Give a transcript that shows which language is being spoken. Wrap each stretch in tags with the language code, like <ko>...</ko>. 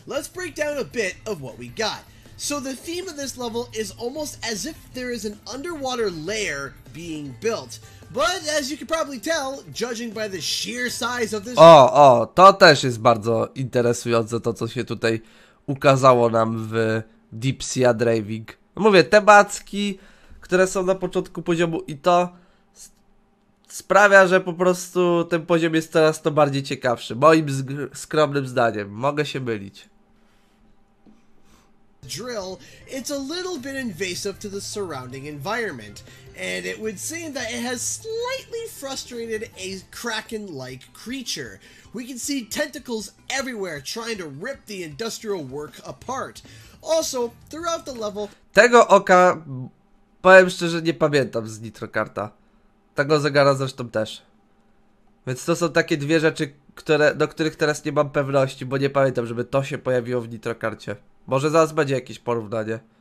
<en>Let's break down a bit of what we got. So the theme of this level is almost as if there is an underwater lair being built. But as you can probably tell, judging by the sheer size of this.</en> <pl>O, to też jest bardzo interesujące to, co się tutaj ukazało nam w Deep Sea Driving. Mówię, te macki, które są na początku poziomu i to sprawia, że po prostu ten poziom jest coraz to bardziej ciekawszy. Moim skromnym zdaniem. Mogę się mylić.</pl> <en>Drill, it's a little bit invasive to the surrounding environment. And it would seem that it has slightly frustrated a kraken-like creature. We can see tentacles everywhere trying to rip the industrial work apart. Also, throughout the level.</en> <pl>Tego oka, powiem szczerze, nie pamiętam z Nitro Karta. Tego zegara zresztą też. Więc to są takie dwie rzeczy, które, do których teraz nie mam pewności, bo nie pamiętam, żeby to się pojawiło w Nitro Karcie. Może zaraz będzie jakieś porównanie.</pl>